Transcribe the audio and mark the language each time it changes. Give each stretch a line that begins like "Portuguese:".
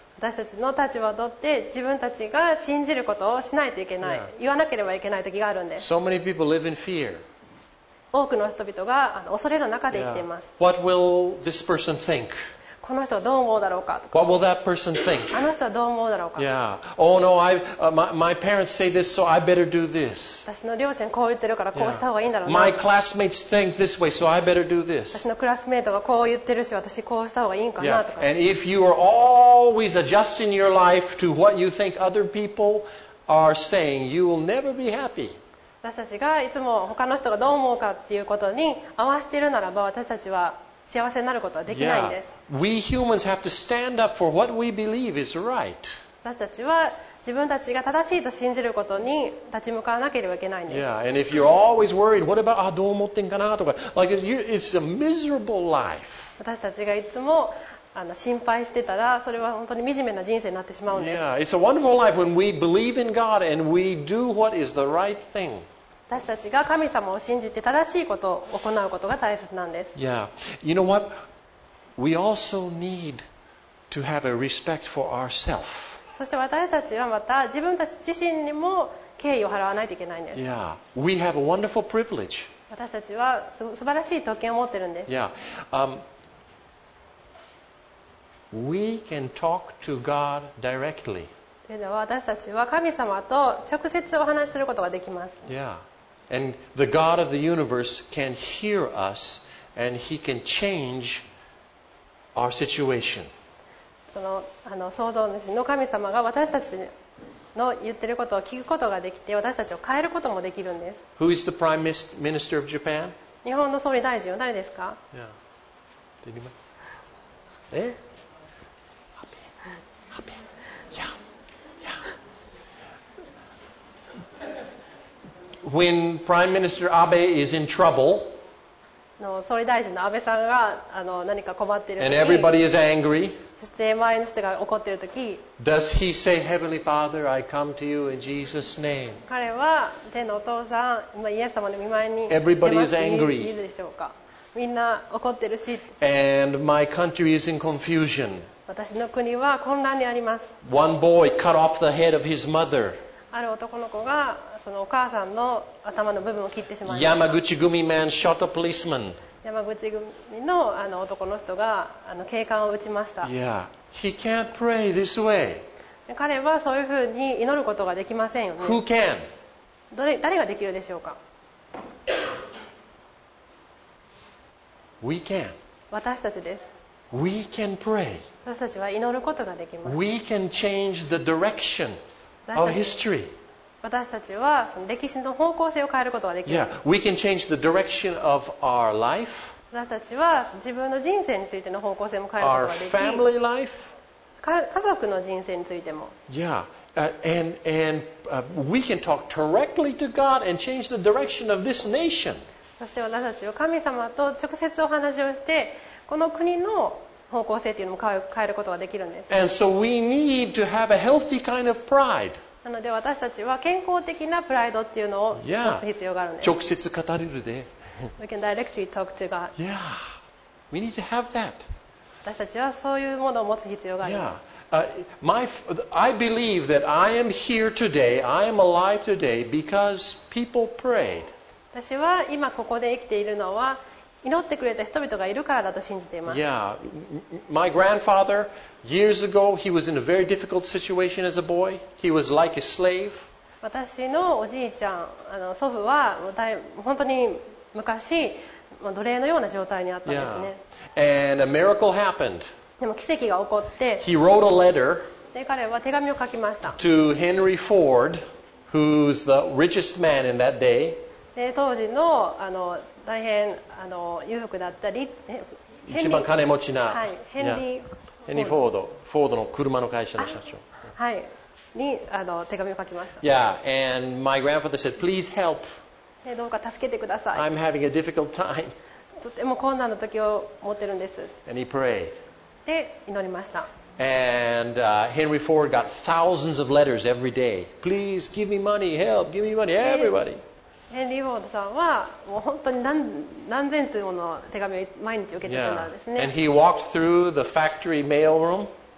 Japanese: 私たちの立場を取って、自分たちが信じることをしないといけない、言わなければいけない時があるんです。
English: So many people live in fear.
Japanese: 多くの人々が恐れの中で生きています。
English: Yeah. What will this person think?
Japanese: この人はどう思うだろうか。
English: What will that person think?
Japanese: あの人はどう思うだろうか。
English: Yeah. Oh no, my parents say this, so I better do this.
Japanese: 私の両親こう言ってるからこうした方がいいんだろうな。
English: My classmates think this way, so I better do this.
Japanese: 私のクラスメートがこう言ってるし、私こうした方がいいんかなとか。
English: Yeah. And if you are always adjusting your life to what you think other people are saying, you will never be happy.
Japanese: 私たちがいつも他の人がどう思うかっていうことに合わせているならば、私たちは幸せになることはできないんです。
English: Yeah. We humans have to stand up for what we believe is right.
Japanese: 私たちは自分たちが正しいと信じることに立ち向かわなければいけないんです。
English: Yeah. And if you're always worried, what about,
Japanese: どう思ってんかなとか、
English: like it's a miserable life.
Japanese: 私たちがいつも心配してたら、それは本当に惨めな人生になってしまうんです。
English: Yeah, it's a wonderful life when we believe in God and we do what is the right thing.
Japanese: 私たちが神様を信じて正しいことを行うことが大切なんです。
English: Yeah, you know what? We also need to have a respect for ourselves.
Japanese: そして私たちはまた自分たち自身にも敬意を払わないといけないんです。
English: Yeah, we have a wonderful privilege.
Japanese: 私たちは素晴らしい特権を持ってるんです。
English: Yeah, We can talk to God directly.
Japanese: というのは、私たちは神様と直接お話しすることができます。
English: Yeah. And the God of the universe can hear us and he can change our situation.
Japanese: その創造主の神様が私たちの言ってることを聞くことができて、私たちを変えることもできるんです。
English: Who is the Prime Minister of Japan?
Japanese: 日本の総理大臣は誰ですか？
English: Yeah. When Prime Minister Abe is in trouble,
Japanese: の総理大臣の安倍さんが何か困っている時、
English: and everybody is angry,
Japanese: そして周りの人が怒っている時、
English: does he say, Heavenly Father, I come to you in Jesus' name?
Japanese: 彼は天のお父さん、今イエス様の御前に、
English: everybody is angry,
Japanese: いいでしょうか？みんな怒ってるし、
English: and my country is in confusion,
Japanese: 私の国は混乱にあります。
English: one boy cut off the head of his mother,
Japanese: ある男の子がそのお母さんの頭の部分を切ってしまいました。
English: 山口組 man shot a policeman.
Japanese: 山口組の男の人が警官を撃ちました。
English: Yeah. He can't pray this way.
Japanese: 彼はそういうふうに祈ることができませんよね。
English: Who can?
Japanese: 誰ができるでしょうか。
English: We can.
Japanese: 私たちです。
English: We can pray.
Japanese: 私たちは祈ることができます。
English: We can change the direction of history.
Japanese: 私たちはその歴史の方向性を変えることができる。
English: Yeah, we can change the direction of our life.
Japanese: 私たちは自分の人生についての方向性も変えることができる。
English: Our family life.
Japanese: 家族の人生についても。
English: Yeah, we can talk directly to God and change the direction of this nation.
Japanese: そして私たちは神様と直接お話をしてこの国の方向性というのも変えることができるんです。
English: And so we need to have a healthy kind of pride.
Japanese: なので私たちは健康的なプライドっていうのを持つ必要があるんです。 Yeah, 直接語れるで。
English: We can directly talk to God. Yeah, we need to have that.
Japanese: 私たちはそういうものを持つ必要があります。
English: Yeah, I believe that I am here today, I am alive today because people prayed.
Japanese: 私は今ここで生きているのは祈ってくれた人々がいるからだと信じています。
English: Yeah, my grandfather, years ago, he was in a very difficult situation as a boy. He was like a slave.
Japanese: 私のおじいちゃん、祖父は本当に昔、奴隷のような状態にあったんですね。
English: Yeah. And a miracle happened.
Japanese: でも奇跡が起こって、
English: he wrote a letter.
Japanese: で、彼は手紙を書きました。
English: To Henry Ford, who's the richest man in that day.
Japanese: で当時 の, 大変裕福だったり一番金持ちな、はい、ヘンリーフォードの車の会社の社長、はい、に手紙を書きました。
English: Yeah, and my grandfather said, please help.
Japanese: どうか助けてください。
English: I'm having a difficult time.
Japanese: とても困難な時を持ってるんです。
English: And he prayed.
Japanese: で祈りました。
English: And Henry Ford got thousands of letters every day. Please give me money, help, give me money, everybody.
Japanese: ヘンリー・フォードさんはもう本当に 何千通もの手紙を毎日受けていたんですね。
English: Yeah. And he walked through the factory mail room.